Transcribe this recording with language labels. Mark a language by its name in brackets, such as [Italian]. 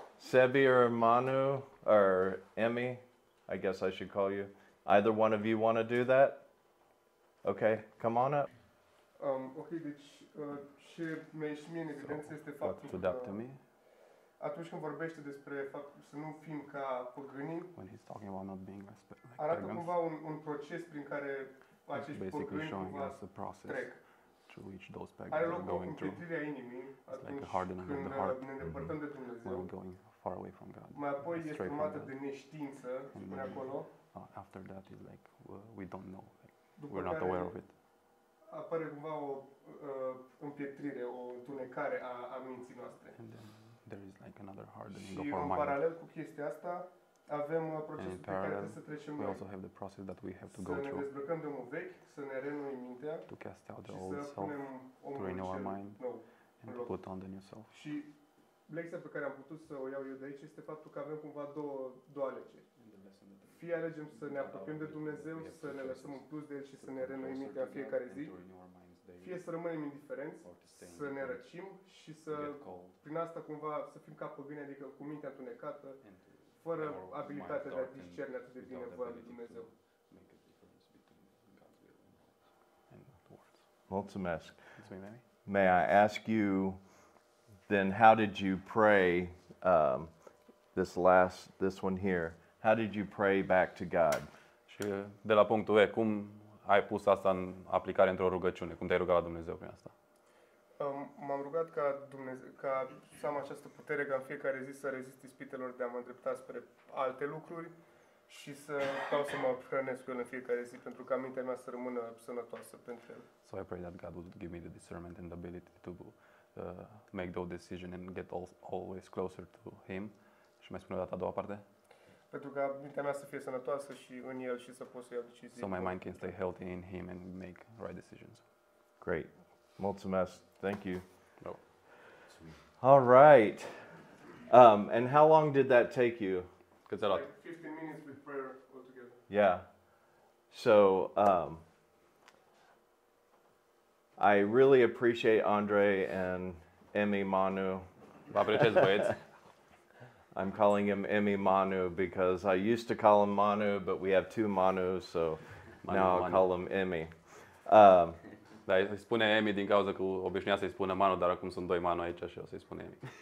[English] Sebi or Manu or Emmy, I guess I should call you. Either one of you want to do that? Okay, come on up. [Romanian] Okay, deci ce mi-a ieșit mie în evidență este faptul că... [English] What stood up to me? [Romanian] atunci când vorbește despre faptul să nu fim ca păgânii, [English] when he's talking about not being like pagans, [Romanian] arată cumva un proces prin care acești păgâni cumva trec. [English] Through which those pagans are going through. It's like a hardening of the heart when we're going far away from God. [Romanian] Mai apoi este urmată de neștiință, spune acolo. [English] After that is like we don't know. Like, we're not aware of it. [Romanian] Apare cumva o împietrire, o întunecare a minții noastre. [English] And then there is like another hardening [Romanian] și [English] of our mind. [Romanian] Și în paralel cu chestia asta, avem procesul pe care trebuie să trecem noi. [English] We also have the process that we have to [Romanian] să [English] go through. [Romanian] Să ne dezbrăcăm de omul vechi, să ne renovăm mintea. [English] To cast out the old self, to renew our mind, and to put on the new self. [Romanian] Și lecția pe care am putut să o iau eu de aici este faptul că avem cumva două alegeri. Fie alegem să ne apropiem de Dumnezeu, să ne lăsăm un plus de El și să ne renoim mintea fiecare zi, fie să rămânem indiferenți, să ne răcim și să, prin asta cumva, să fim ca păgâni, adică cu mintea întunecată, fără abilitatea de a discerne atât de bine voia lui Dumnezeu. Mulțumesc. [English] May I ask you, then, how did you pray this one here? How did you pray back to God? [Romanian] Și de la punctul E, cum ai pus asta în aplicare într-o rugăciune? Cum te-ai rugat la Dumnezeu prin asta? M-am rugat ca Dumnezeu, ca să am această putere ca în fiecare zi să rezist ispitelor de a mă îndrepta spre alte lucruri și să stau să mă hrănesc în fiecare zi pentru ca mintea mea să rămână sănătoasă pentru El. [English] So I pray that God would give me the discernment and the ability to make those decisions and get always closer to Him. [Romanian] Și mai spun o dată a doua parte. Pentru ca mintea mea să fie sănătoasă și în El și să pot să iau decizii. [English] So my mind can stay healthy in Him and make right decisions. Great. [Romanian] Mulțumesc. [English] Thank you. No. All right. And how long did that take you? [Romanian] Cât ți-a luat? [English] 15 minutes with prayer altogether. Yeah. So, I really appreciate Andre and Emmy Manu. [Romanian] Vă apreciez, băieți. [English] I'm calling him Emmy Manu because I used to call him Manu, but we have two Manus, so Manu, now I'll Manu. Call him Emmy. [Romanian] Dar îi spune Emmy din cauza că obișnuia să-i spună Manu, dar acum sunt doi Manu aici și o să-i spune Emmy.